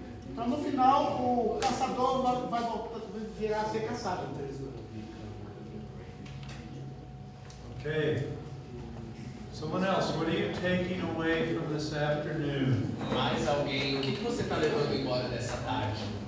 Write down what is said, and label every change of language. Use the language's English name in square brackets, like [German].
[Portuguese] Então, no final, o caçador vai virar a ser caçado. Ok. [English] Someone else, what are you taking away from this afternoon? [Portuguese] Mais alguém, o que você está levando embora dessa tarde?